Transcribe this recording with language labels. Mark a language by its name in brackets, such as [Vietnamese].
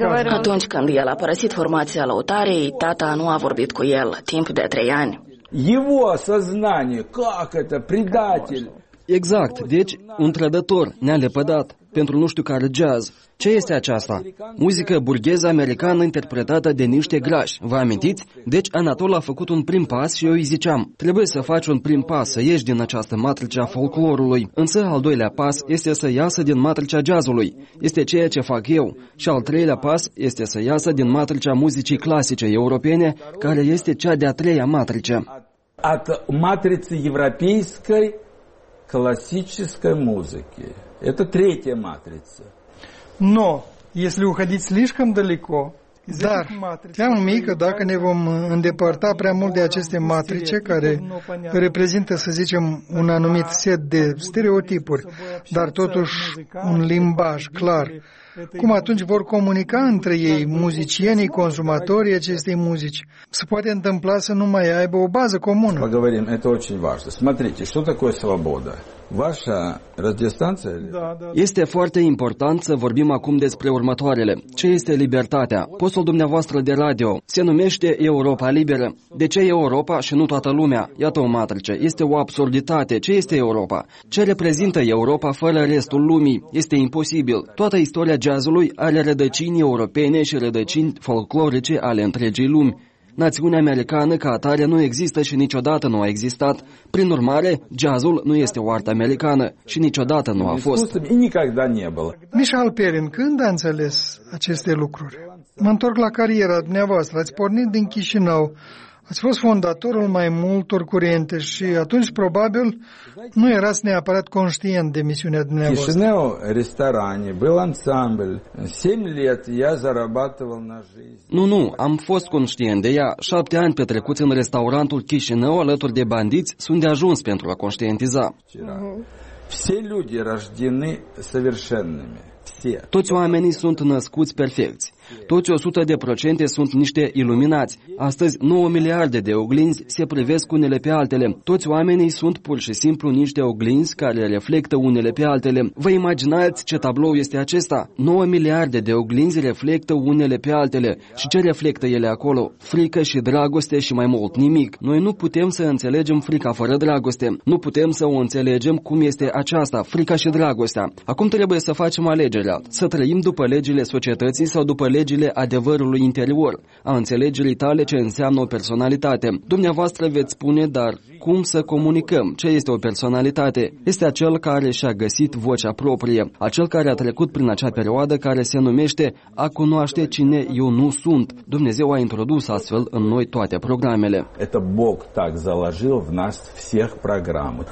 [Romanian] Atunci când el a părăsit formația lăutarei, tata nu a vorbit cu el timp de 3 ani. [Russian] Его сознание, как это, предатель. [Romanian] Exact, deci un trădător ne-a lepădat pentru nu știu care jazz. Ce este aceasta? Muzică burgheză americană interpretată de niște grași, vă amintiți? Deci Anatol a făcut un prim pas și eu îi ziceam, trebuie să faci un prim pas, să ieși din această matrice a folclorului. Însă al doilea pas este să iasă din matricea jazzului. Este ceea ce fac eu. Și al treilea pas este să iasă din matricea muzicii clasice europene, care este cea de-a treia matrice. [Russian] At matrice europeiscăi, классической музыки. Это третья матрица. Но если уходить слишком далеко, [Romanian] dar, teamă mică, dacă ne vom îndepărta prea mult de aceste matrice care reprezintă, să zicem, un anumit set de stereotipuri, dar totuși un limbaj clar, cum atunci vor comunica între ei muzicienii, consumatorii acestei muzici? Se poate întâmpla să nu mai aibă o bază comună. [Russian] Поговорим, это очень важно. Смотрите, что такое свобода? Ваша радиостанция? [Romanian] Este foarte important să vorbim acum despre următoarele. Ce este libertatea? Postul dumneavoastră de radio se numește Europa Liberă. De ce Europa și nu toată lumea? Iată o matrice. Este o absurditate. Ce este Europa? Ce reprezintă Europa fără restul lumii? Este imposibil. Toată istoria jazzului are rădăcini europene și rădăcini folclorice ale întregii lumi. Națiunea americană ca atare nu există și niciodată nu a existat. Prin urmare, jazzul nu este o artă americană și niciodată nu a fost. Michal Perin, când a înțeles aceste lucruri? Mă întorc la cariera dumneavoastră. Ați pornit din Chișinău. Ați fost fondatorul mai multor curente și atunci probabil nu erați neapărat conștient de misiunea dumneavoastră. [Russian] Chișinău, ресторане, был ансамбль. 7 лет я зарабатывал на жизнь. [Romanian] Nu, am fost conștient de ea. 7 ani petrecuți în restaurantul Chișinău alături de bandiți sunt de ajuns pentru a conștientiza. [Russian] Все люди рождены совершенными. [Romanian] Toți oamenii sunt născuți perfecți. Toți 100% sunt niște iluminați. Astăzi 9 miliarde de oglinzi se privesc unele pe altele. Toți oamenii sunt pur și simplu niște oglinzi care reflectă unele pe altele. Vă imaginați ce tablou este acesta? 9 miliarde de oglinzi reflectă unele pe altele. Și ce reflectă ele acolo? Frică și dragoste și mai mult nimic. Noi nu putem să înțelegem frica fără dragoste. Nu putem să o înțelegem cum este aceasta, frica și dragostea. Acum trebuie să facem alegerea. Să trăim după legile societății sau după legile adevărului interior, a înțelegerii tale ce înseamnă o personalitate. Dumneavoastră veți spune, dar cum să comunicăm? Ce este o personalitate? Este acel care și-a găsit vocea proprie, acel care a trecut prin acea perioadă care se numește a cunoaște cine eu nu sunt. Dumnezeu a introdus astfel în noi toate programele. [Russian] Это Бог так заложил в нас всех программы.